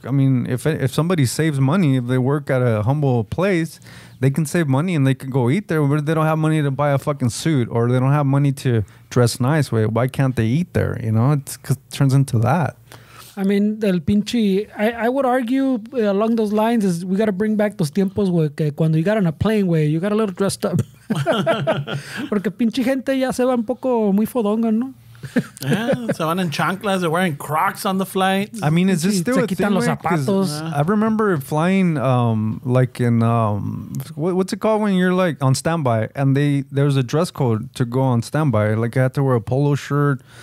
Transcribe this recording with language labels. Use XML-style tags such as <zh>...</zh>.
<en>I mean, if somebody saves money, if they work at a humble place, they can save money and they can go eat there, but they don't have money to buy a fucking suit or they don't have money to dress nice. Wait, why can't they eat there? You know, it turns into that. I mean,</en> <es>el pinche,</es> <en>I would argue along those lines is we got to bring back those tiempos where cuando you got on a plane, way, you got a little dressed up.</en> <es>Porque pinche gente ya se va un poco muy fodonga, ¿no?</es> <en>Yeah, so in chanclas, they're wearing Crocs on the flight. I mean, is this still a thing? I remember flying like in what's it called when you're like on standby and there's a dress code to go on standby. Like I had to wear a polo shirt.</en>